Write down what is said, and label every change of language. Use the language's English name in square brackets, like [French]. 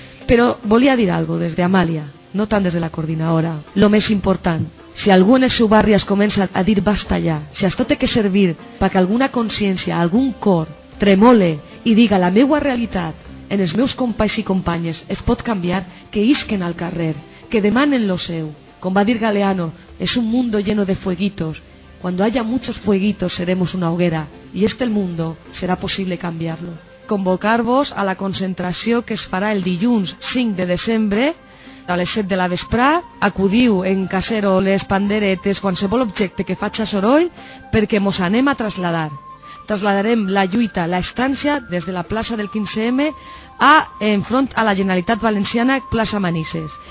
[Catalan] Però volia dir algo des d'Amàlia, no tant des de la coordinadora. Lo més important, si algú en el seu barri es comença a dir basta ja, si això té que servir perquè alguna consciència, algun cor tremole i diga la meua realitat en els meus companys i companyes es pot canviar, que isquen al carrer, que demanen lo seu. Com va dir Galeano, és [Spanish] un mundo lleno de fueguitos, cuando haya muchos fueguitos seremos una hoguera y este mundo será posible cambiarlo. [Catalan] Convocar-vos a la concentració que es farà el dilluns 5 de desembre a les 7 de la vesprà. Acudiu en caseroles, panderetes, qualsevol objecte que faci soroll, perquè mos anem a traslladar. Trasladarem la lluita, la estància, des de la plaça del 15M a enfront a la Generalitat Valenciana, plaça Manises.